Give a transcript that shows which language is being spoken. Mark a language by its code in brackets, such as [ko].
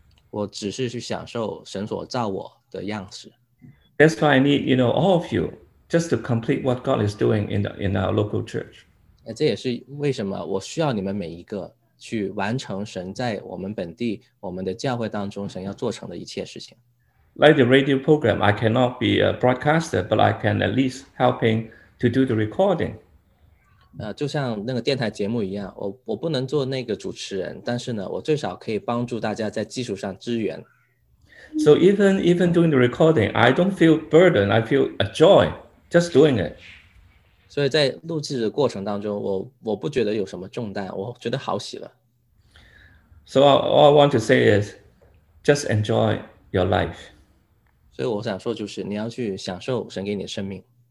[zh] 我只是去享受神所造我的样式。 [en] That's why I need, you know, all of you, just to complete what God is doing in our local church. [zh] 这也是为什么我需要你们每一个去完成神在我们本地我们的教会当中神要做成的一切事情。 [en] Like the radio program, I cannot be a broadcaster, but I can at least helping to do the recording. [zh] 就像那个电台节目一样，我不能做那个主持人，但是呢，我最少可以帮助大家在技术上支援。 [en] So even doing the recording, I don't feel burden. I feel a joy just doing it. [zh] 所以在录制的过程当中，我不觉得有什么重担，我觉得好喜了。 [en] So all I want to say is, just enjoy. Your life. [zh] 所以我想说就是你要去享受神给你的生命。